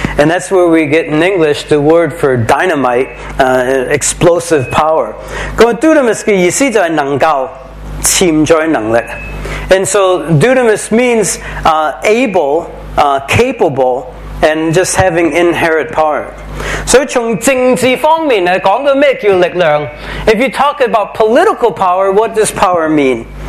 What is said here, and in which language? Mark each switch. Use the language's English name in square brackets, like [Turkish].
[English] And that's where we get in English the word for dynamite, explosive power. [Chinese] 那么 dunamis 的意思就是能够潜在能力。 [English] And so dunamis means able, capable, and just having inherent power. [Chinese] 所以从政治方面来讲到什么叫力量 [English] If you talk about political power, what does power mean?